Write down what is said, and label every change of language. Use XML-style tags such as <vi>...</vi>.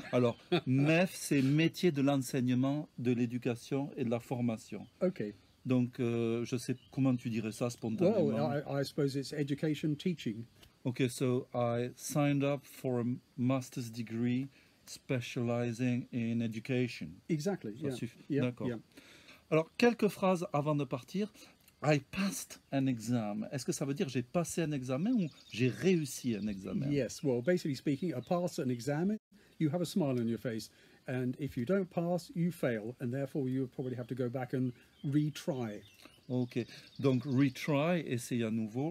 <fr>Alors, MEF, c'est métier de l'enseignement, de l'éducation et de la formation.</fr> <en>Ok.</en> <fr>Donc, je sais comment tu dirais ça spontanément.</fr> <en>Well, I suppose it's education teaching. Ok, so I signed up for a master's degree specializing in education. Exactly,</en> <fr>ça suffit. Yeah. D'accord.</fr> <en>Yeah.</en> <fr>Alors, quelques phrases avant de partir.</fr> <en>I passed an exam.</en> <fr>Est-ce que ça veut dire j'ai passé un examen ou j'ai réussi un examen?</fr> <en>Yes, well, basically speaking, a pass an exam, you have a smile on your face. And if you don't pass, you fail. And therefore, you probably have to go back and retry. OK.</en> <fr>Donc, retry, essayer à nouveau.</fr>